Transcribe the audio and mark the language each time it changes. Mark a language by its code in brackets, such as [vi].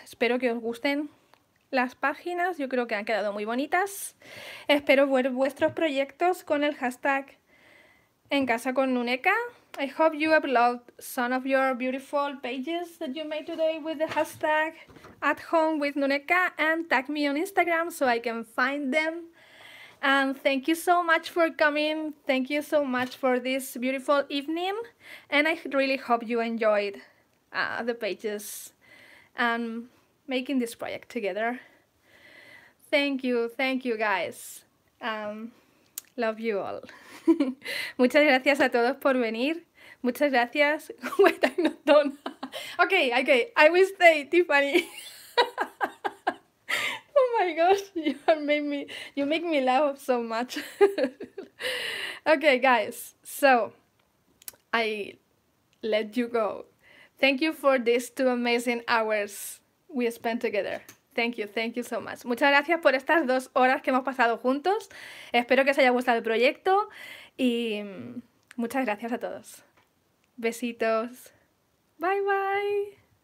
[es] Espero que os gusten las páginas, yo creo que han quedado muy bonitas. Espero ver vuestros proyectos con el hashtag En Casa con Nuneka. [en] I hope you upload some of your beautiful pages that you made today with the hashtag At Home with Nuneka and tag me on Instagram so I can find them. And thank you so much for coming. Thank you so much for this beautiful evening. And I really hope you enjoyed the pages and making this project together. Thank you guys. Love you all. [es] Muchas gracias a todos por venir. Muchas gracias. [en] Wait, I'm not done. Okay, okay, I will stay, Tiffany. Oh my gosh, you make me laugh so much. Okay, guys, so I let you go. Thank you for these two amazing hours we spent together. Thank you so much. [es] Muchas gracias por estas dos horas que hemos pasado juntos. Espero que os haya gustado el proyecto y muchas gracias a todos. Besitos. Bye bye.